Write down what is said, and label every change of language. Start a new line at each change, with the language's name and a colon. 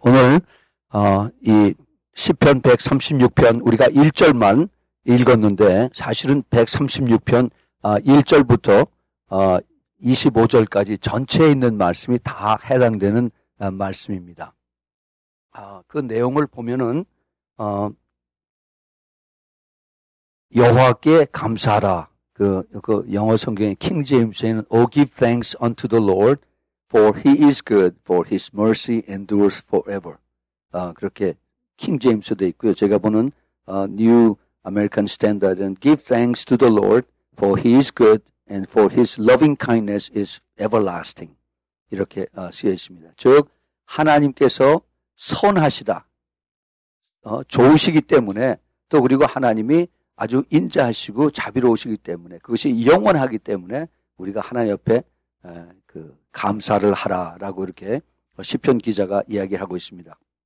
Korean: 오늘 이 시편 136편 우리가 1절만 읽었는데, 사실은 136편 1절부터 25절까지 전체에 있는 말씀이 다 해당되는 말씀입니다. 그 내용을 보면은 여호와께 감사하라. 그 영어 성경의 킹 제임스에는
English: "O give thanks unto the Lord, for he is good, for his mercy endures forever."
Korean: 그렇게 킹 제임스 돼 있고요. 제가 보는
English: New American Standard은 "Give thanks to the Lord, for he is good, and for his loving kindness is everlasting."
Korean: 이렇게 쓰여 있습니다. 즉, 하나님께서 선하시다. 좋으시기 때문에, 또 그리고 하나님이 아주 인자하시고 자비로우시기 때문에, 그것이 영원하기 때문에 우리가 하나님 옆에 감사를 하라라고 이렇게 시편 기자가 이야기를 하고 있습니다.